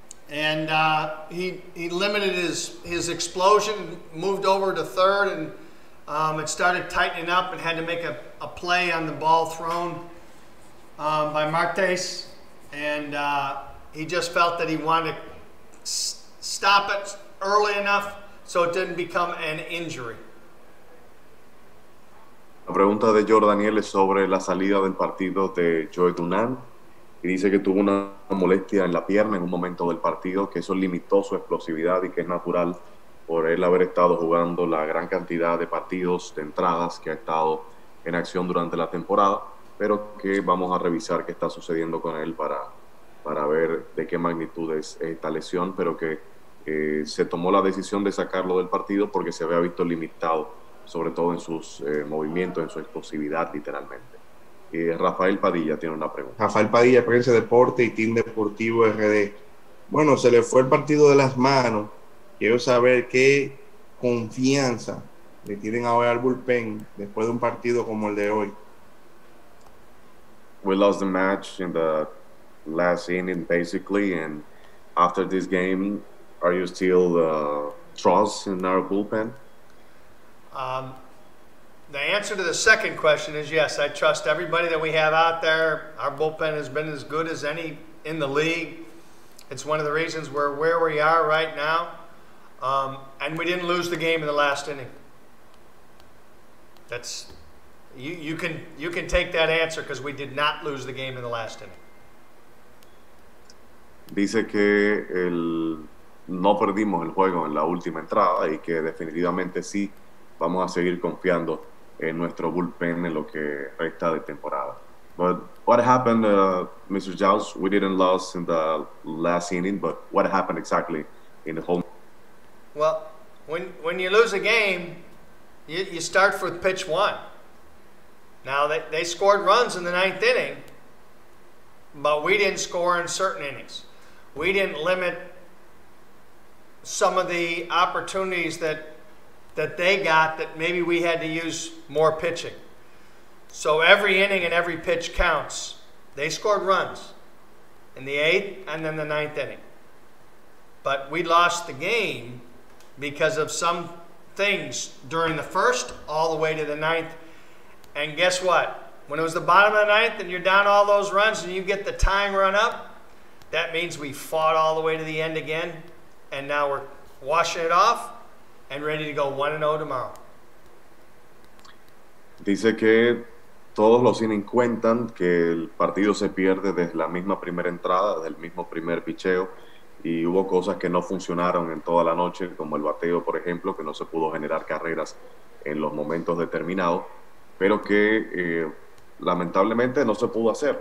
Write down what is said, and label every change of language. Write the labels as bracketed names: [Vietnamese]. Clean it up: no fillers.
[English] And he limited his explosion, moved over to third, and it started tightening up and had to make a play on the ball thrown by Martes. And he just felt that he wanted to stop it early enough so it didn't become an injury. [Spanish] La pregunta de Jordaniel es sobre la salida del partido de Joe Dunham. Y dice que tuvo una molestia en la pierna en un momento del partido, que eso limitó su explosividad y que es natural por él haber estado jugando la gran cantidad de partidos, de entradas que ha estado en acción durante la temporada, pero que vamos a revisar qué está sucediendo con él para ver de qué magnitud es esta lesión, pero que se tomó la decisión de sacarlo del partido porque se había visto limitado, sobre todo en sus movimientos, en su explosividad, literalmente. Rafael Padilla tiene una pregunta. Rafael Padilla, Prensa Deporte y Team Deportivo RD. Bueno, se le fue el partido de las manos. Quiero saber qué confianza le tienen ahora al bullpen después de un partido como el de hoy. [English] We lost the match in the last inning, basically, and after this game, are you still trust in our bullpen? The answer to the second question is yes. I trust everybody that we have out there. Our bullpen has been as good as any in the league. It's one of the reasons we're where we are right now. And we didn't lose the game in the last inning. That's you can take that answer because we did not lose the game in the last inning. [Spanish] Dice que no perdimos el juego en la última entrada y que definitivamente sí vamos a seguir confiando en nuestro bullpen en lo que resta de temporada. [English] But what happened, Mr. Jaus? We didn't lose in the last inning, but what happened exactly in the home? Well, when you lose a game, you start with pitch one. Now, they scored runs in the ninth inning, but we didn't score in certain innings. We didn't limit some of the opportunities that they got that maybe we had to use more pitching. So every inning and every pitch counts. They scored runs in the eighth and then the ninth inning. But we lost the game because of some things during the first all the way to the ninth. And guess what? When it was the bottom of the ninth and you're down all those runs and you get the tying run up, that means we fought all the way to the end again. And now we're washing it off and ready to go 1-0 tomorrow. [Spanish] Dice que todos los innings cuentan, que el partido se pierde desde la misma primera entrada, desde el mismo primer picheo, y hubo cosas que no funcionaron en toda la noche, como el bateo, por ejemplo, que no se pudo generar carreras en los momentos determinados, pero que lamentablemente no se pudo hacer.